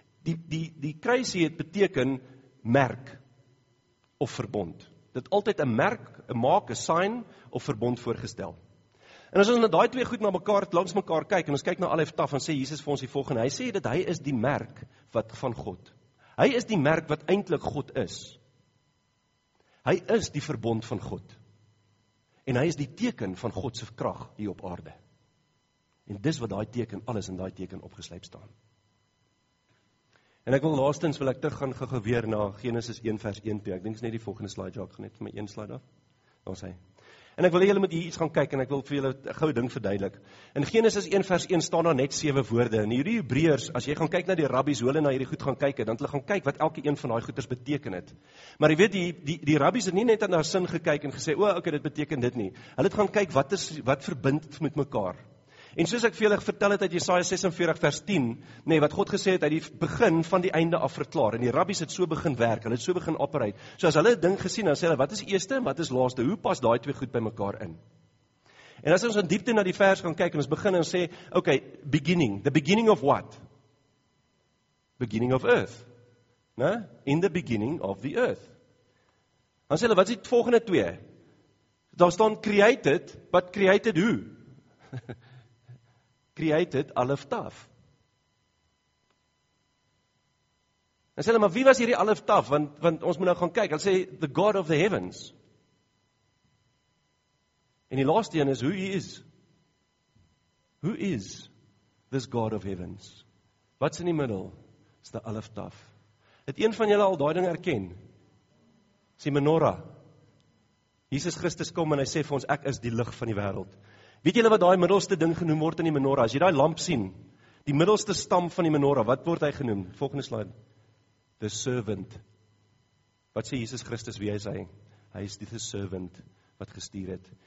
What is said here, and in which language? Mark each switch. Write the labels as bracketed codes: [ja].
[af] Die kruisie het beteken merk of verbond. dit altyd 'n merk, 'n maak, 'n sign of verbond voorgestel. En as ons na daai twee goed na mekaar, langs mekaar kyk en ons kyk na Alef Taf en sê Jesus vir ons die volgende, hy sê dat hy is die merk wat van God. Hy is die merk wat eintlik God is. Hy is die verbond van God. En hy is die teken van God se krag hier op aarde. En dis wat daai teken, alles in daai teken opgesluit staan. En ek wil laastens, wil ek teruggaan gegaan weer na Genesis 1 vers 1 toe. Ek dink is net die volgende slide, ja, ek gaan net my een slide af. Daar sê. En ek wil julle met hier iets gaan kyk en ek wil vir julle 'n goue ding verduidelik. In Genesis 1 vers 1 staan daar net 7 woorde. En hierdie Hebreërs, as jy gaan kyk na die rabbies, hoe hulle na hierdie goed gaan kyk, dan hulle gaan kyk wat elke een van daai goeders beteken het. Maar jy weet die rabbies het nie net aan haar sin gekyk en gesê, okay, dit beteken dit nie. Hulle het gaan kyk wat is wat verbind met mekaar. En soos ek vir julle vertel het uit Jesaja 46 vers 10, nee, wat God gesê het, hy die begin van die einde af verklaar, en die rabbies het so begin werk, hulle het so begin operate, so as hulle ding gesien, dan sê hulle, wat is eerste en wat is laaste, hoe pas daai twee goed by mekaar in? En as ons in diepte na die vers gaan kyk, en ons begin en sê, okay, beginning, [en] the beginning of what? Beginning of earth. [af] Na? [en] In the beginning of the earth. [af] Dan sê hulle, wat is die volgende twee? Daar staan [en] created, but created who? Created Alef Taf. [af] En sê hulle, maar wie was hierdie Alef Taf? Want ons moet nou gaan kyk, hulle sê, [en] the God of the heavens. [af] En die laaste een is, [en] who he is? Who is this God of heavens? What's in [af] die middel? [en] Is the Alef Taf. [af] Het een van julle al daai ding erken? Sê menorah. Jesus Christus kom en hy sê vir ons, ek is die lig van die wêreld. Weet julle wat daai middelste ding genoem word in die menorah? As jy daai lamp sien, die middelste stam van die menorah, wat word hy genoem? Volgende slide. [en] The servant. [af] Wat sê Jesus Christus, wie is hy? Hy is die servant wat gestuur het.